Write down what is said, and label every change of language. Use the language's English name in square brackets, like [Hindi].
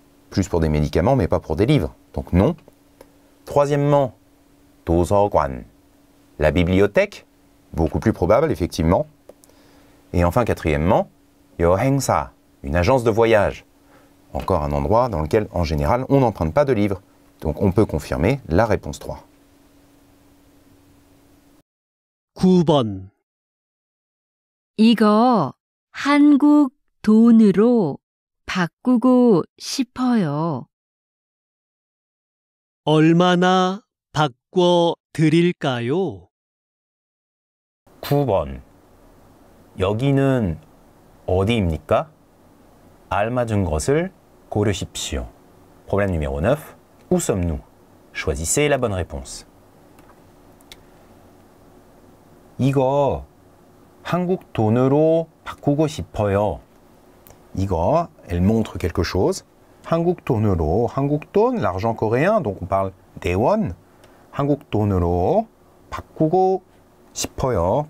[French] Plus pour des médicaments, mais pas pour des livres, donc non. Troisièmement, 도서관, la bibliothèque, beaucoup plus probable, effectivement. Et enfin, quatrièmement, 여행사, une agence de voyage. Encore un endroit dans lequel, en général, on n'emprunte pas de livres. Donc, on peut confirmer la réponse 3. [Korean] 9번 이거 한국 돈으로 바꾸고 싶어요. 얼마나 바꿔 드릴까요? 9번 여기는 어디입니까? 알맞은 것을 고르십시오. [French] Problème numéro 9. Où sommes-nous? Choisissez la bonne réponse. [Korean] 이거 한국 돈으로 바꾸고 싶어요. 이거, [French] elle montre quelque chose. [Korean] 한국 돈으로, 한국 돈, [French] l'argent coréen, donc on parle 대원, [Korean] 한국 돈으로 바꾸고 싶어요.